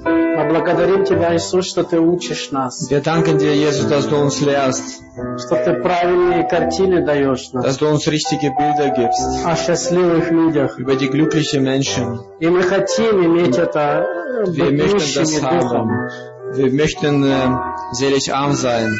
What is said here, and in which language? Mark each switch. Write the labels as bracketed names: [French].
[Russian] Мы благодарим тебя, Иисус, что ты учишь нас. [German] Wir danken dir, Jesus, dass du uns lehrst. [Russian] Что ты правильные картины даешь нам. [German] Dass du uns richtige Bilder gibst. [Russian] О счастливых людях. [German] Über die glücklichen Menschen. [Russian] И мы хотим иметь это. [German] Wir möchten das haben. Wir möchten selig arm sein.